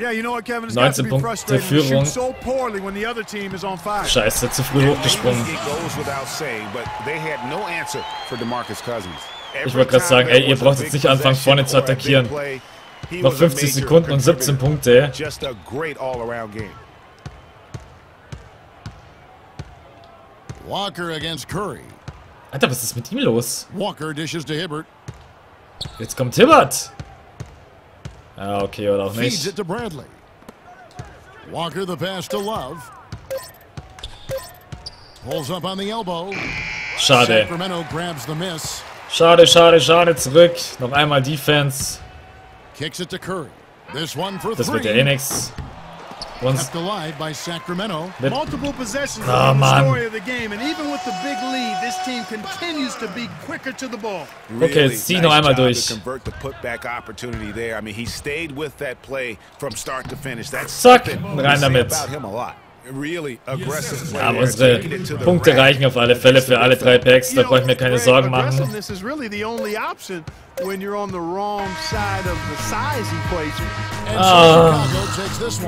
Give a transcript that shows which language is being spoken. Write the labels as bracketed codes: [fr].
[en] Yeah, you know what, Kevin, it's got to be frustrating to shoot so poorly when the other team is on fire. [de] Scheiße, zu früh hochgesprungen. [en] It goes without saying, but they had no answer for DeMarcus Cousins. [de] Ich wollte gerade sagen, ey, ihr braucht jetzt nicht anfangen vorne zu attackieren. Noch 50 Sekunden und 17 Punkte. [en] Just a great all-around game. Walker against Curry. [de] Alter, was ist mit ihm los? [en] Walker dishes to Hibbert. [de] Jetzt kommt Hibbert. Ah, okay, oder auch nicht. [en] Feeds it to Bradley. Walker the pass to Love. Pulls up on the elbow. [de] Schade. [en] Sacramento grabs the miss. [de] Schade, schade, schade, zurück. Noch einmal Defense. [en] Kicks it to Curry. This one for [de] three. Das wird ja eh nix. [en] Kept alive by Sacramento. Multiple possessions in the story of the game, and even with the big lead, this team continues to be quicker to the ball. [de] Okay, zieh noch einmal durch. [en] Convert the putback opportunity there. I mean, he stayed with that play from start to finish. That's [de] rein damit. [en] Really aggressive. [de] Aber unsere Punkte reichen auf alle Fälle für alle drei Packs. Da brauche ich mir keine Sorgen machen. [en] This is really the only option when you're on the wrong side of the size equation.